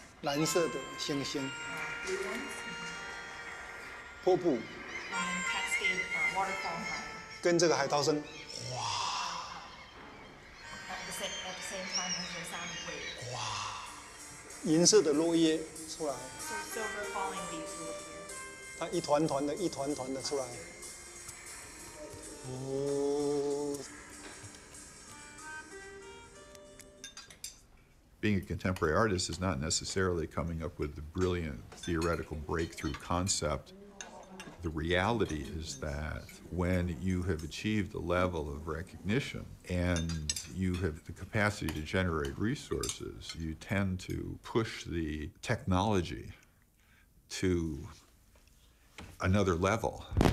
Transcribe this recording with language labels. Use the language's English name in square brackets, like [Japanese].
[Chinese] 蓝色的星星. [English] Blue ones. [Chinese] 瀑布. [English] Cascade, waterfall. [Chinese] 跟这个海涛声.Wow. [English] At the same time as the sound of waves. [Chinese] Wow. 银色的落叶出来, [English] so silver falling leaves will appear. [Chinese] 它一团团的, 一团团的出来, 哦, [English] being a contemporary artist is not necessarily coming up with the brilliant theoretical breakthrough concept. The reality is that when you have achieved a level of recognition and you have the capacity to generate resources, you tend to push the technology to another level.